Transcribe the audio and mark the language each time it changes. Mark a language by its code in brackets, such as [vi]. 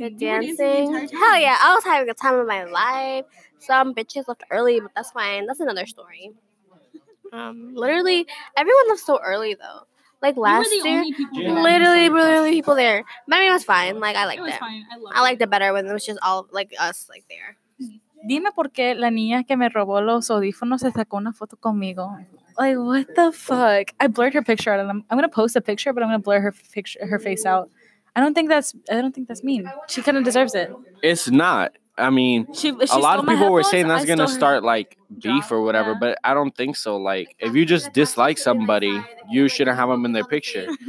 [en] The dancing? Hell yeah, I was having a time of my life. Some bitches left early, but that's fine. That's another story. Literally, everyone left so early, though. Like last year, literally people there. But I mean, it was fine. Like, I liked it. I liked it better when it was just all, like, us, like, there. [es] Dime por qué la niña que me robó los audífonos se sacó una foto conmigo. [en] Like, what the fuck? I blurred her picture out. I'm going to post a picture, but I'm going to blur her face out. I don't think that's mean. She kind of deserves it. It's not. I mean, a lot of people were saying that's going to start, like, beef or whatever, but I don't think so. Like, if you just dislike somebody, you shouldn't have them in their picture.